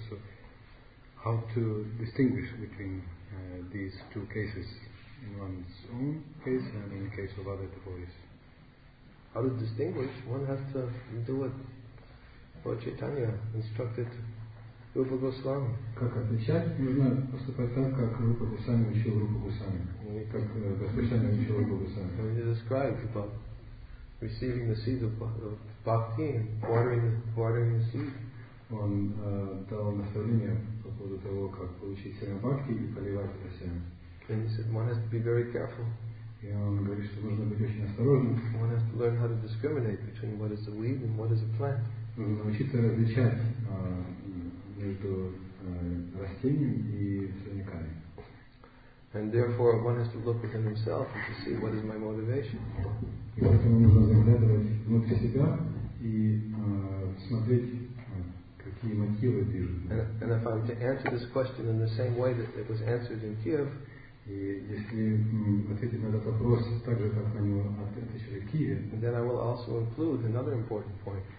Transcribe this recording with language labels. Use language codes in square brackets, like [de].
[en] So, how to distinguish between these two cases, in one's own case and in the case of other devotees? How to distinguish? One has to do what Lord Chaitanya instructed Rupa Goswami. [ru] Как отличать? Нужно поступать так, как Рупа Госвами учил Рупа Госвами. Как Госвами учил Рупа Госвами. [en] When he describes about receiving the seed of bhakti and watering the seed. [ru] Он дал наставление по поводу того, как получить семя бхакти и поливать это семя. [en] And he said one has to be very careful. [ru] И он говорит, что нужно быть очень осторожным. [en] One has to learn how to discriminate between what is a weed and what is a plant. [ru] Нужно научиться различать между растением и сорняками. [en] And therefore one has to look within himself to see what is my motivation. [ru] И поэтому нужно заглядывать внутрь себя и смотреть, какие мотивы движут. [en] And if I'm to answer this question in the same way that it was answered in Kiev, [ru] и если ответить на этот вопрос так же, как на него отвечали в Киеве, [en] then I will also include another important point.